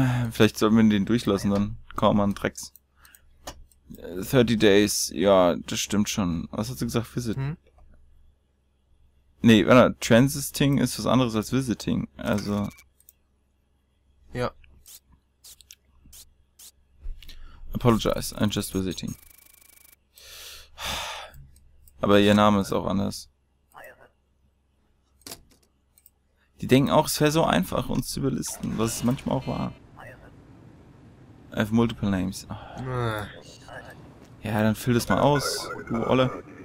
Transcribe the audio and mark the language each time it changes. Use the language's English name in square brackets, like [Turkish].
[German] Vielleicht sollten wir den durchlassen dann. [English] Come on, Drax. 30 Days. [German] Ja, das stimmt schon. Was hast du gesagt? Visit. Hm? Nee, warte, Transiting ist was anderes als Visiting, also. Ja. [English] Apologize, I'm just visiting. [German] Aber ihr Name ist auch anders. Die denken auch, es wäre so einfach, uns zu überlisten, was es manchmal auch war. [English] I have multiple names. [German] Ja, dann füll das mal aus, du Olle.